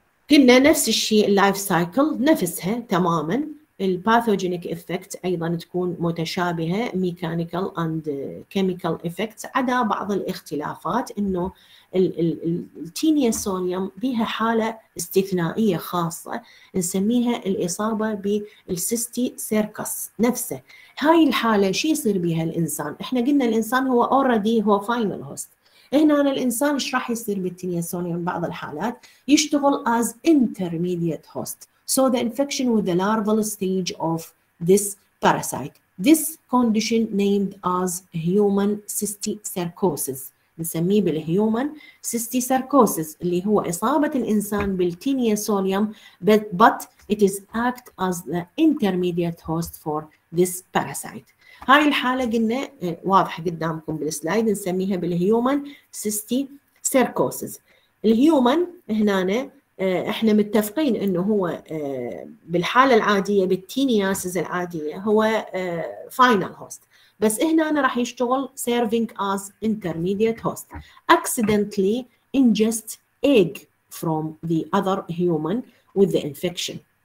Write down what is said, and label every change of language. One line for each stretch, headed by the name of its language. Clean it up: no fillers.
Arabic: كنا نفس الشيء life cycle نفسها تماما، ال pathogenic effect ايضا تكون متشابهه،
English: mechanical and chemical effects
Arabic: عدا بعض الاختلافات، انه ال tinea solium بها حاله استثنائيه خاصه نسميها الاصابه بالسيستي سيركس نفسه. هاي الحاله شو يصير بها الانسان؟ احنا قلنا الانسان هو اوريدي هو فاينل هوست، هنا الانسان ايش راح يصير بالتينيا سوليوم؟ بعض الحالات يشتغل
English: As intermediate host. So the infection with the larval stage of this parasite. This condition named as human cysticercosis.
Arabic: نسميه بالhuman cysticercosis اللي هو إصابة الإنسان بالtinea solium
English: but it is act as the intermediate host for this parasite.
Arabic: هاي الحالة قلنا واضحة قدامكم بالسلايد نسميها بالhuman cysticercosis. الhuman هنا احنا متفقين انه هو بالحالة العادية بالتينياسز العادية هو final host، بس هنا انا راح يشتغل
English: serving as intermediate host. Accidentally ingest egg from the other human with the infection.